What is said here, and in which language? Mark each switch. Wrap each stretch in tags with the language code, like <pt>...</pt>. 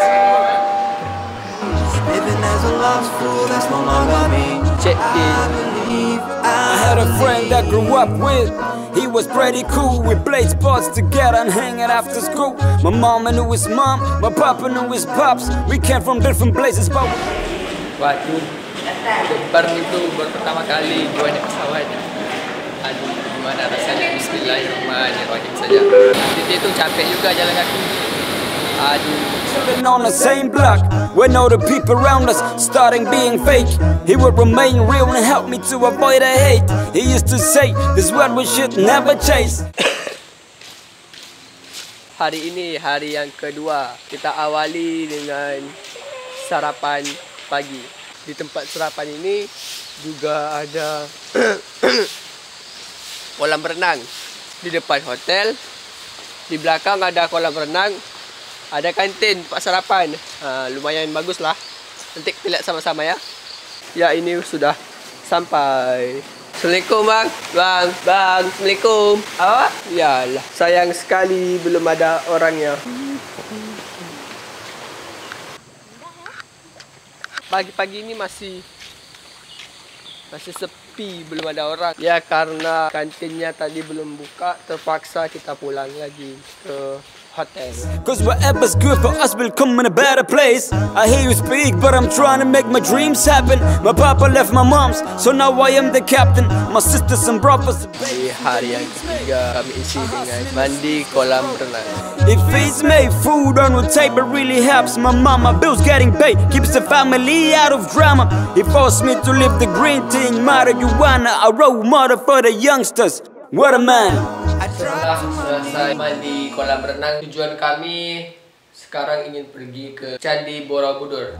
<en>Living as a lost soul, that's no longer me. Check it. I had a friend that grew up with. He was pretty cool. We played sports together and hanging after school. My mama knew his mom, my papa knew his pops. We came from different places, but we...</en> <id>Waktu Jepang itu baru pertama kali gua naik pesawat. Aduh, gimana rasanya? Bismillahirrahmanirrahim saja. Titik itu capek juga jalan kaki. Aduh.</id> <en>Been on the same block when all the people around us starting being fake. He would remain real and help me to avoid the hate. He used to say this world we should never chase.</en> <id>Hari ini hari yang kedua. Kita awali dengan sarapan pagi. Di tempat sarapan ini juga ada kolam renang. Di depan hotel, di belakang ada kolam renang. Ada kantin tempat sarapan. Lumayan baguslah. Nanti kita lihat sama-sama ya. Ya, ini sudah sampai. Assalamualaikum bang. Bang, bang. Assalamualaikum. Apa? Yalah, sayang sekali belum ada orangnya. Pagi-pagi ini masih sepi, belum ada orang. Ya, karena kantinnya tadi belum buka, terpaksa kita pulang lagi ke hotel.</id> <en>Cause whatever's good for us will come in a better place. I hear you speak, but I'm trying to make my dreams happen. My papa left my mom's, so now I am the captain. My sisters and brothers.</en> <id>Di hari yang ketiga kami isi dengan mandi kolam renang.</id> <en>It feeds me, food on the table really helps. My mama bills getting paid, keeps the family out of drama. He forced me to live the green thing, marijuana. A role model for the youngsters. What a man.</en> <id>Setelah selesai mandi kolam renang, tujuan kami sekarang ingin pergi ke Candi Borobudur.</id>